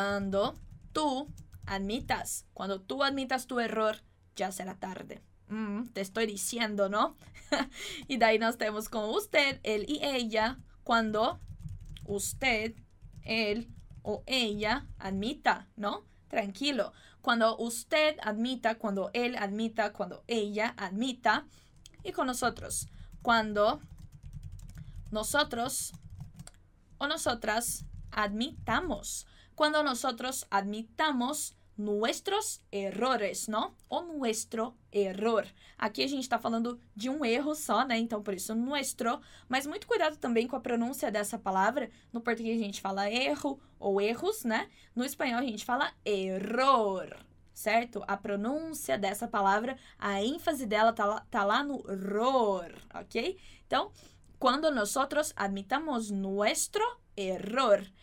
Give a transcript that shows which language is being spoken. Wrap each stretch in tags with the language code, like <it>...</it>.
<es>Quando tu admitas tu error, já será tarde. Te estoy diciendo, ¿no? Y de ahí nos tenemos con usted, él y ella. Cuando usted, él o ella admita, ¿no? Tranquilo. Cuando usted admita, cuando él admita, cuando ella admita. Y con nosotros. Cuando nosotros o nosotras admitamos. Cuando nosotros admitamos nuestros errores, ¿no? O nuestro error.</es> <pt>Aquí a gente está falando de un erro só, né? Então, por isso, nuestro. Mas muito cuidado também com a pronúncia dessa palavra. No português a gente fala erro ou erros, né? No espanhol a gente fala error, certo? A pronúncia dessa palavra, a ênfase dela tá lá no ror, ok?</pt> <es>Então, cuando nosotros admitamos nuestro error.</es>